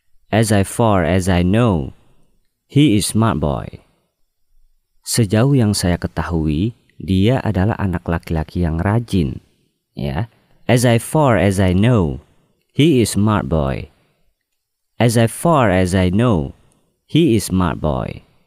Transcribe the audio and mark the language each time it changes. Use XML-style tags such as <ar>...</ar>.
<en>As far as I know, he is smart boy.</en> <id>Sejauh yang saya ketahui, dia adalah anak laki-laki yang rajin. Ya.</id> <en>As far as I know, he is smart boy. As far as I know, he is smart boy.</en>